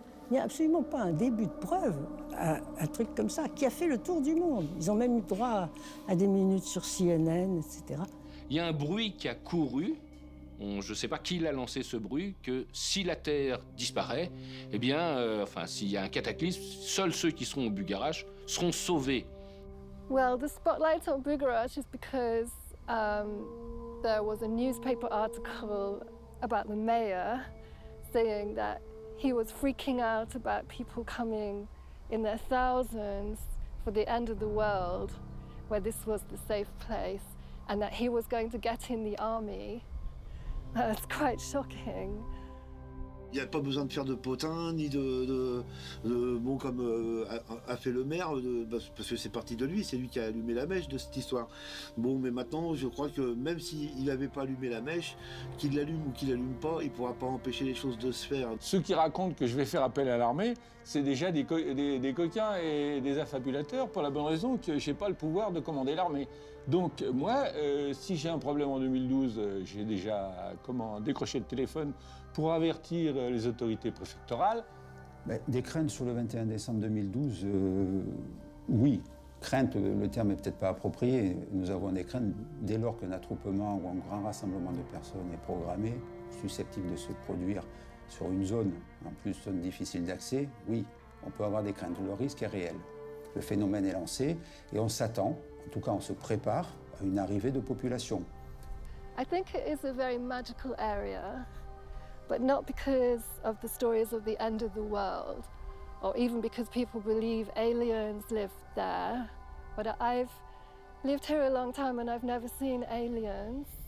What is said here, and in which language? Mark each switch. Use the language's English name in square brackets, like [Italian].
[French] Il n'y a absolument pas un début de preuve à un truc comme ça qui a fait le tour du monde. Ils ont même eu droit à des minutes sur CNN, etc. Il y a un bruit qui a couru, je ne sais pas qui l'a lancé ce bruit, que si la Terre disparaît, eh bien, s'il y a un cataclysme, seuls ceux qui seront au Bugarach seront sauvés. [English] Well, the spotlight on Bugarach is because there was a newspaper article about the mayor saying that he was freaking out about people coming in their thousands for the end of the world, where this was the safe place. And that he was going to get in the army. That's quite shocking. [French] Il n'y a pas besoin de faire de potins ni de bon comme a fait le maire, parce que c'est parti de lui, c'est lui qui a allumé la mèche de cette histoire. Bon, mais maintenant, je crois que même s'il n'avait pas allumé la mèche, qu'il l'allume ou qu'il l'allume pas, il ne pourra pas empêcher les choses de se faire. Ceux qui racontent que je vais faire appel à l'armée, c'est déjà des coquins et des affabulateurs, pour la bonne raison que je n'ai pas le pouvoir de commander l'armée. Donc moi, si j'ai un problème en 2012, j'ai déjà décroché le téléphone pour avertir les autorités préfectorales. Ben, des craintes sur le 21 décembre 2012, oui. Crainte, le terme n'est peut-être pas approprié. Nous avons des craintes dès lors qu'un attroupement ou un grand rassemblement de personnes est programmé, susceptible de se produire sur une zone, en plus zone difficile d'accès, oui, on peut avoir des craintes. Le risque est réel. Le phénomène est lancé et on s'attend, en tout cas on se prépare, à une arrivée de population. [English] I think it is a very magical area. But not because of the stories of the end of the world, or even because people believe aliens live there. But I've lived here a long time and I've never seen aliens.